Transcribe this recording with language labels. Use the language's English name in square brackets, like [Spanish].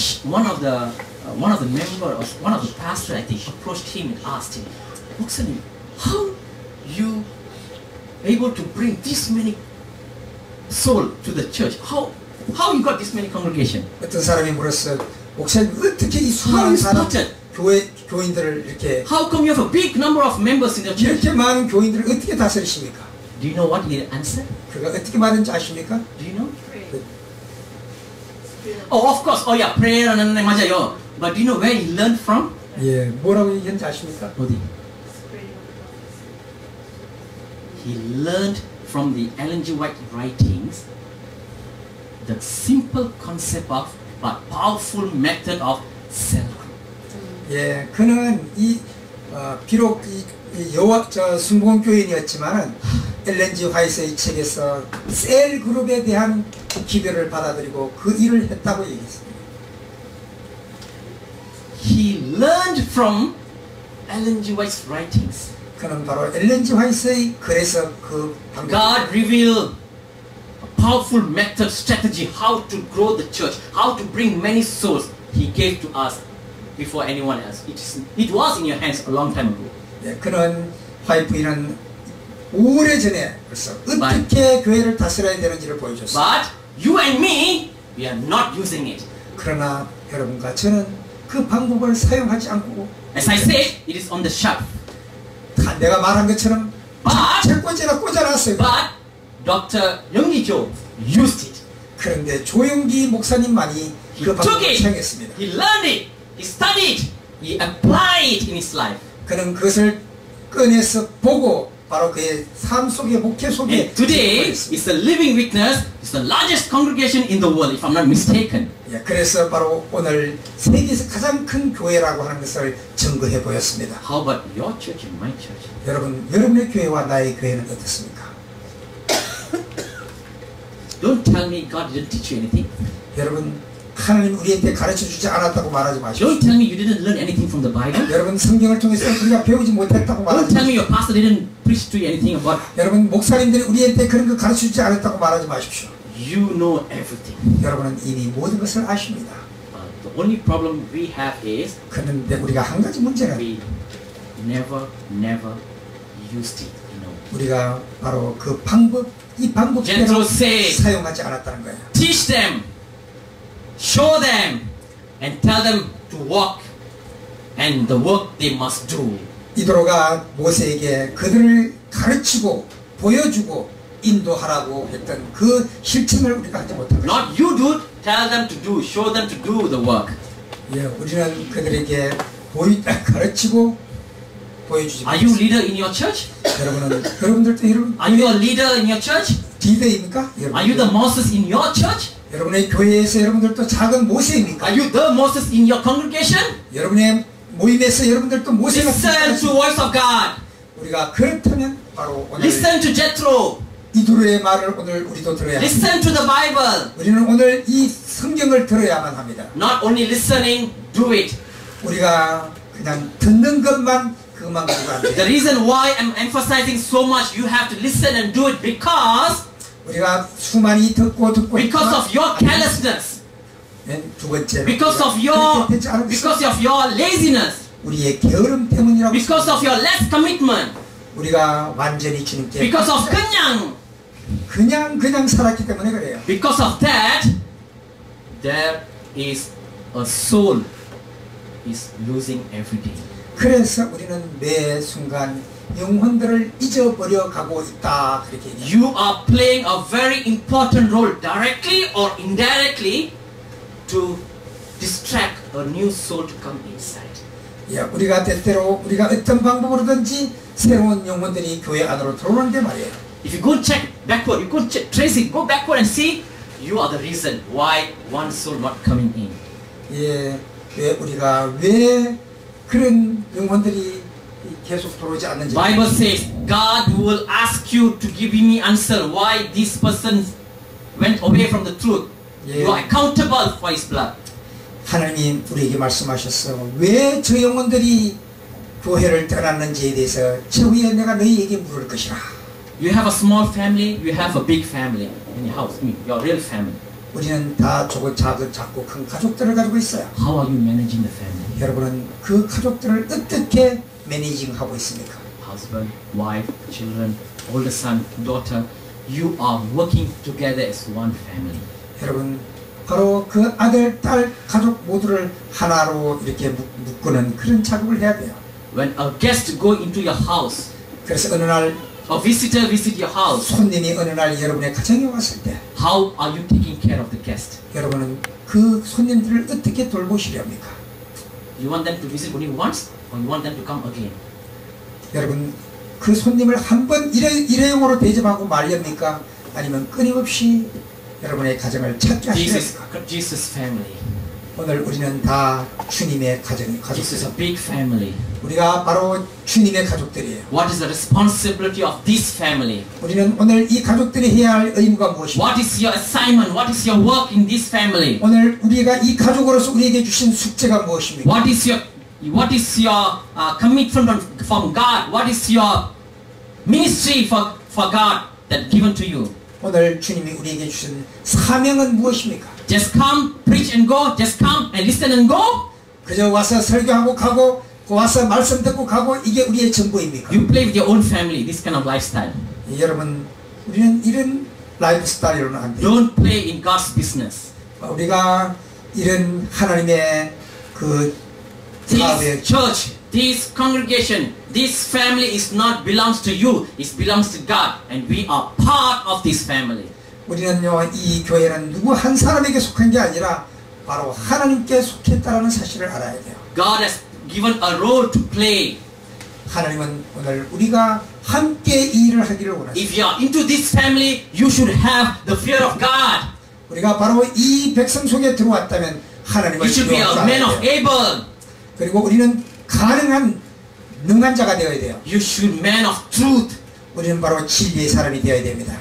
[English] One of the pastor, I think, approached him and asked him, 목사님, how you able to bring this many soul to the church? How you got this many congregation? [Korean] 어떤 사람이 물었어, 목사님 어떻게 이 수많은 사람 교인들을 이렇게 [English] How come you have a big number of members in the church? [Korean] 이렇게 많은 교인들을 어떻게 다스리십니까? [English] Do you know what he answered? [Korean] 그가 어떻게 말했는지 아십니까? [English] Do you know? Oh, of course. Oh, yeah, prayer and [Korean] 네, 맞아요. [English] But do you know where he learned from? [Korean] 예, 뭐라고 얘기했는지 아십니까? 어디? [English] He learned from the Ellen G. White writings the simple concept of but powerful method of cell. [Korean] 예, 그는 이 비록 이 여호와 저 순복음 교인이었지만은 엘렌 G. 화이트의 책에서 셀 그룹에 대한 기별을 받아들이고 그 일을 했다고 얘기했습니다. [English] He learned from Ellen G. White's writings. [Korean] 그는 바로 엘렌 G. 화이트의 글에서 그 [English] God revealed a powerful method, strategy, how to grow the church, how to bring many souls. He gave to us before anyone else. It was in your hands a long time ago. [Korean] 네, 그런 화이트는 오래 전에 벌써 어떻게 교회를 다스려야 되는지를 보여줬어요. [English] But you and me, we are not using it. [Korean] 그러나 여러분과 저는 그 방법을 사용하지 않고. [English] As I said, it is on the shelf. [Korean] 내가 말한 것처럼 [English] but, [Korean] 책꽂이나 꽂아놨어요. [English] But Dr. 영기 조 used it. [Korean] 그런데 조영기 목사님만이 그 방법을 사용했습니다. [English] He learned it. He studied. He applied it in his life. [Korean] 그는 그것을 꺼내서 보고 바로 그의 삶 속에 목회 속에 [English] today is the living witness is the largest congregation in the world if I'm not mistaken. [Korean] 예, 그래서 바로 오늘 세계에서 가장 큰 교회라고 하는 것을 증거해 보였습니다. [English] How about your church and my church? [Korean] 여러분의 교회와 나의 교회는 어떻습니까? [English] Don't tell me God didn't teach you anything. [Korean] 여러분 하나님 우리한테 가르쳐 주지 않았다고 말하지 마십시오. [English] Don't tell me you didn't learn anything from the Bible. [Korean] 여러분 성경을 통해서 우리가 배우지 못했다고 말하지 마십시오. [English] Don't tell me your pastor didn't preach to you anything about. [Korean] 여러분 목사님들이 우리한테 그런 거 가르쳐 주지 않았다고 말하지 마십시오. [English] You know everything. [Korean] 여러분은 이미 모든 것을 아십니다. [English] The only problem we have is. [Korean] 그런데 우리가 한 가지 문제가. [English] We never used it. You know. [Korean] 우리가 바로 그 방법 이 방법대로 사용하지 않았다는 거야. [English] Teach them. Show them and tell them to walk and the work they must do. [Korean] 이드로가 모세에게 그들을 가르치고 보여주고 인도하라고 했던 그 실천을 우리가 하지 못하고. [English] Not you do, tell them to do, show them to do the work. [Korean] 예, 우리는 그들에게 가르치고 보여주지. [English] Are you leader in your church? [Korean] 여러분들도 이름. [English] Are you a leader in your church? [Korean] 디데입니까? [English] Are you the Moses in your church? [Korean] 여러분의 교회에서 여러분들도 작은 모세입니까? [English] Are you the Moses in your congregation? [Korean] 여러분의 모임에서 여러분들도 모세가 [English] Listen to voice of God. [Korean] 우리가 그렇다면 바로 오늘 [English] Listen to Jethro. [Korean] 이드로의 말을 오늘 우리도 들어야 합니다. [English] Listen to the Bible. [Korean] 우리는 오늘 이 성경을 들어야만 합니다. [English] Not only listening, do it. [Korean] 우리가 그냥 듣는 것만 그것만 가지고 안 돼요. [English] The reason why I'm emphasizing so much you have to listen and do it because [Korean] 우리가 수많이 듣고 [English] because of your carelessness. [Korean] 두 번째. [English] Because of your because of your laziness. [Korean] 우리의 게으름 때문이라고. [English] Because of your less commitment. [Korean] 우리가 완전히 주님께 [English] because of [Korean] 그냥 그냥 살았기 때문에 그래요. [English] Because of that there is a soul is losing every day. [Korean] 그래서 우리는 매 순간 영혼들을 잊어버려 가고 있다. 그렇게 [English] you are playing a very important role directly or indirectly to distract a new soul to come inside. [Korean] 야, 우리가 때때로 우리가 어떤 방법으로든지 새로운 영혼들이 교회 안으로 들어오는데 말이에요. [English] If you go check backward, you go check tracing, go backward and see, you are the reason why one soul not coming in. [Korean] 예, 왜 우리가 왜 그런 영혼들이 계속 들어오지 않는지. [English] Bible says God will ask you to give me answer why this person went away from the truth. 예. You are accountable for his blood. [Korean] 하나님 우리에게 말씀하셨어. 왜 저 영혼들이 교회를 떠났는지에 대해서 최후에 내가 너희에게 물을 것이라. [English] You have a small family, you have a big family in your house, I mean, your real family. [Korean] 우리는 다 조금 작고 큰 가족들을 가지고 있어요. [English] How are you managing the family? [Korean] 여러분은 그 가족들을 어떻게 매니징하고 있습니까? [English] Husband, wife, children, older son, daughter, you are working together as one family. [Korean] 여러분, 바로 그 아들, 딸, 가족 모두를 하나로 이렇게 묶는 그런 작업을 해야 돼요. [English] When a guest go into your house, [Korean] 그래서 어느 날 [English] a visitor visit your house. [Korean] 손님이 어느 날 여러분의 가정에 왔을 때 [English] how are you taking care of the guest? [Korean] 여러분은 그 손님들을 어떻게 돌보시렵니까? [English] You want them to visit only once or you want them to come again? [Korean] 여러분 그 손님을 한번 일회용으로 대접하고 말렵니까? 아니면 끊임없이 여러분의 가정을 찾게 하시렵니까? [English] Jesus family. [Korean] 오늘 우리는 다 주님의 가족들. [English] This is a big family. [Korean] 우리가 바로 주님의 가족들이에요. [English] What is the responsibility of this family? [Korean] 우리는 오늘 이 가족들이 해야 할 의무가 무엇입니까? [English] What is your assignment? What is your work in this family? [Korean] 오늘 우리가 이 가족으로서 우리에게 주신 숙제가 무엇입니까? [English] What is your commitment from God? What is your ministry for God that given to you? [Korean] 오늘 주님이 우리에게 주신 사명은 무엇입니까? [English] Just come, preach and go. Just come and listen and go. [Korean] 그저 와서 설교하고 가고, 와서 말씀 듣고 가고 이게 우리의 전부입니까? [English] You play with your own family. This kind of lifestyle. [Korean] 여러분, 우리는 이런 라이프스타일로는 안 돼요. [English] Don't play in God's business. [Korean] 우리가 이런 하나님의 그 사업에 [English] church, this congregation, this family is not belongs to you. It belongs to God, and we are part of this family. [Korean] 우리는요 이 교회는 누구 한 사람에게 속한 게 아니라 바로 하나님께 속했다라는 사실을 알아야 돼요. [English] God has given a role to play. [Korean] 하나님은 오늘 우리가 함께 일을 하기를 원하세요. [English] If you are into this family, you should have the fear of God. [Korean] 우리가 바로 이 백성 속에 들어왔다면 하나님을 믿어야 돼요. [English] You should be a man of able. [Korean] 그리고 우리는 가능한 능한 자가 되어야 돼요. [English] You should be a man of truth. [Korean] 우리는 바로 진리의 사람이 되어야 됩니다.